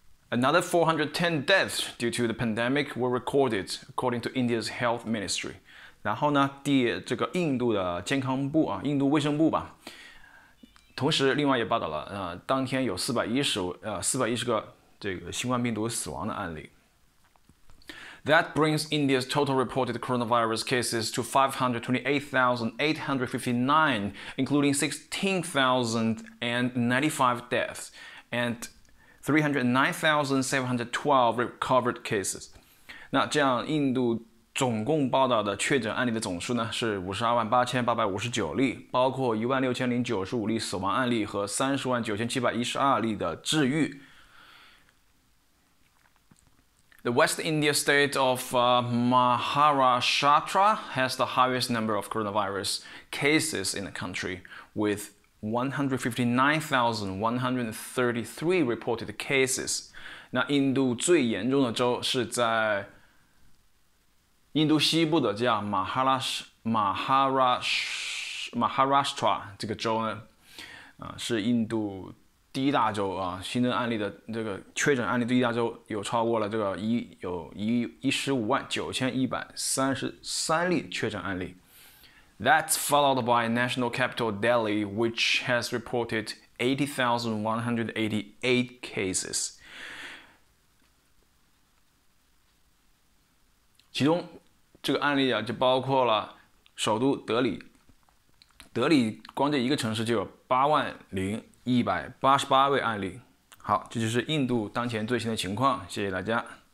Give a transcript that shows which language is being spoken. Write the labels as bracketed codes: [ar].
[en] Another 410 deaths due to the pandemic were recorded, according to India's health ministry. [zh] 然后呢，这个印度的健康部印度卫生部吧，同时另外也报道了，当天有四百一十个这个新冠病毒死亡的案例。 [en] That brings India's total reported coronavirus cases to 528,859, including 16,095 deaths and 309,712 recovered cases. [zh] 那这样，印度总共报道的确诊案例的总数呢，是528,859例，包括16,095例死亡案例和309,712例的治愈。 [en] The West India state of Maharashtra has the highest number of coronavirus cases in the country, with 159,133 reported cases. [zh] 那印度最严重的州是在印度西部的叫马哈拉什特拉这个州呢，是印度第一大州新增案例的这个确诊案例第一大州，有超过了这个15,9133例确诊案例。 [en] That's followed by national capital Delhi, which has reported 80,188 cases. [zh] 其中这个案例就包括了首都德里，德里光这一个城市就有80,188位案例。好，这就是印度当前最新的情况，谢谢大家。